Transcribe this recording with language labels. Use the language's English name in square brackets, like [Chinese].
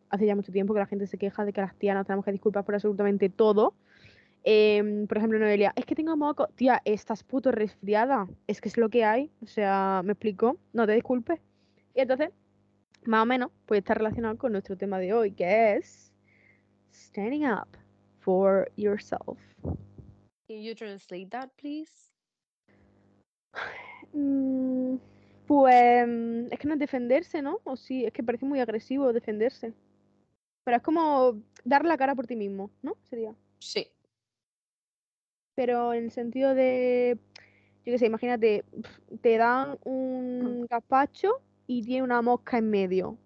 [Spanish] Hace ya mucho tiempo que la gente se queja de que las tías nos tenemos que disculpar por absolutamente todo. Por ejemplo, Noelia, es que tengo moco. Tía, estás puto resfriada. Es que es lo que hay. O sea, ¿me explico? No te disculpes. Y entonces, más o menos, pues está relacionado con nuestro tema de hoy, que es... [English] Standing up for yourself. Can you translate that, please? [Spanish] Pues es que no es defenderse, ¿no? O sí, es que parece muy agresivo defenderse. Pero es como dar la cara por ti mismo, ¿no? Sería. Sí. Pero en el sentido de, yo qué sé, imagínate, te dan un gazpacho y tiene una mosca en medio.